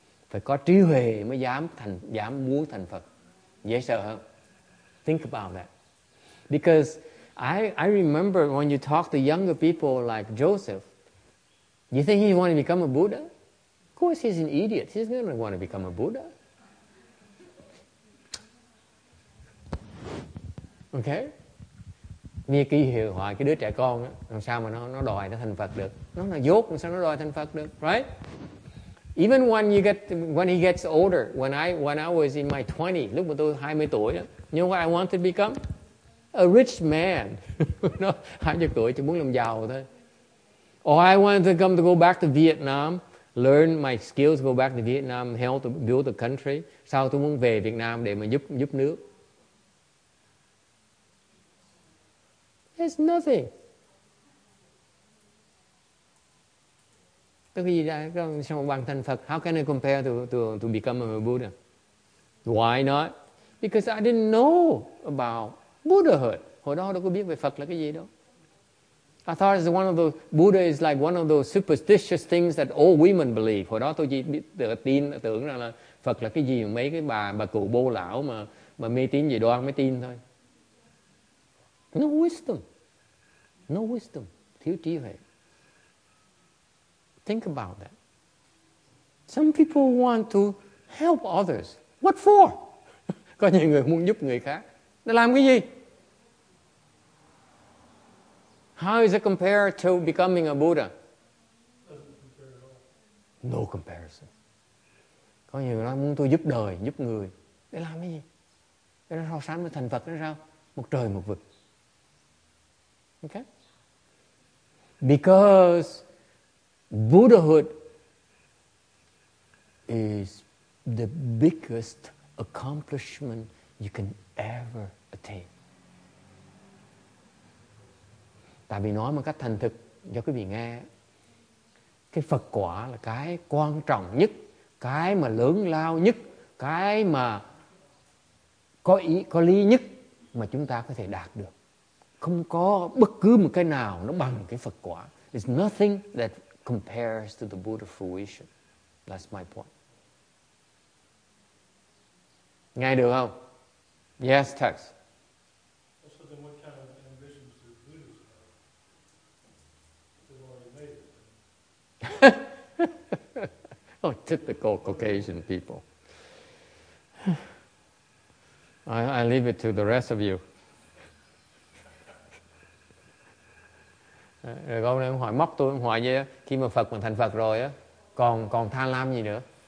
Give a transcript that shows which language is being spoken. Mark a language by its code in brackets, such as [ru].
[vi] Phải có trí huệ mới dám muốn thành Phật. Dễ sợ không? [en] Think about that. Because I remember when you talk to younger people like Joseph, you think he wanted to become a Buddha? Of course he's an idiot. He's not going to want to become a Buddha. Okay? [vi] Mình kỳ hiệu hoài cái đứa trẻ con á, làm sao mà nó đòi nó thành Phật được? Nó là dốt, làm sao nó đòi thành Phật được? [en] Right? Even when he gets older, when I was in my 20s, [vi] lúc mà tôi 20 tuổi, [en] you know what I wanted to become? A rich man. [vi] 20 tuổi chỉ muốn làm giàu thôi. [en] Or I wanted to come to go back to Vietnam, learn my skills, go back to Vietnam, help to build the country. [vi] Sau tôi muốn về Việt Nam để mà giúp nước. [en] It's nothing. How can I compare to become a Buddha? Why not? Because I didn't know about Buddhahood. [vi] Hồi đó đâu có biết về Phật là cái gì đâu. [en] I thought it's one of those Buddha is like one of those superstitious things that all women believe. [vi] Hồi đó tôi chỉ tưởng rằng là Phật là cái gì mấy cái bà cụ bô lão mà mê tín dị đoan mới tin thôi. [en] No wisdom, [vi] thiếu trí huệ. [en] Think about that. Some people want to help others. What for? [vi] Có nhiều người muốn giúp người khác. Để làm cái gì? [en] How is it compared to becoming a Buddha? No comparison. [vi] Có nhiều người nói muốn tôi giúp đời, giúp người. Để làm cái gì? Để nó so sánh với thành Phật nó sao? Một trời một vực. Okay? [en] Because Buddhahood is the biggest accomplishment you can ever attain. [vi] Tại vì nói một cách thành thực cho quý vị nghe, cái Phật quả là cái quan trọng nhất, cái mà lớn lao nhất, cái mà có ý, có lý nhất mà chúng ta có thể đạt được. Không có bất cứ một cái nào nó bằng cái Phật quả. [en] It's nothing that compares to the Buddha fruition. That's my point. [vi] Nghe được không? [en] Yes, Tex. So then what kind of ambitions do Buddhists have? They've already made it. Oh, typical Caucasian people. I leave it to the rest of you. [vi] Rồi con em hỏi móc tôi, em hỏi như khi mà Phật mà thành Phật rồi á, còn tham lam gì nữa?